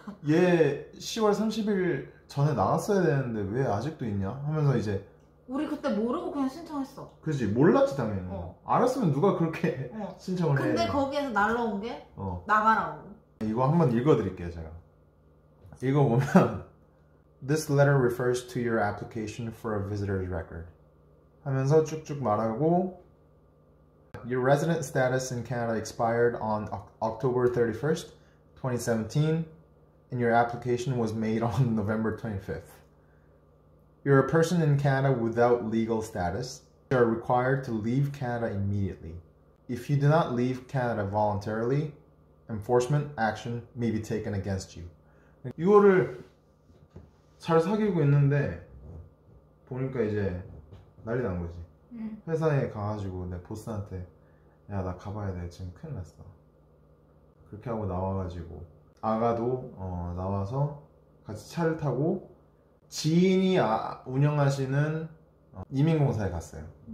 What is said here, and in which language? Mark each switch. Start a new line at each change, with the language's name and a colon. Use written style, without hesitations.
Korean: 얘 10월 30일 전에 나왔어야 되는데 왜 아직도 있냐 하면서 이제 우리 그때 모르고 그냥 신청했어. 그지 몰랐지 당연히. 알았으면 누가 그렇게 신청을 근데 해. 거기에서 날라온 게 나가라고. 이거 한번 읽어드릴게요. 제가 읽어보면
English: This letter refers to your application for a visitor's record.
Korean: 하면서 쭉쭉 말하고
English: Your resident status in Canada expired on October 31st, 2017, and your application was made on November 25th. You're a person in Canada without legal status. You are required to leave Canada immediately. If you do not leave Canada voluntarily, enforcement action may be taken against you.
Korean: 이거를 잘 사귀고 있는데 보니까 이제 난리 난 거지. 회사에 가가지고 내 보스한테 야나 가봐야 돼 지금 큰일 났어 그렇게 하고 나와가지고 아가도 나와서 같이 차를 타고 지인이 운영하시는 이민공사에 갔어요.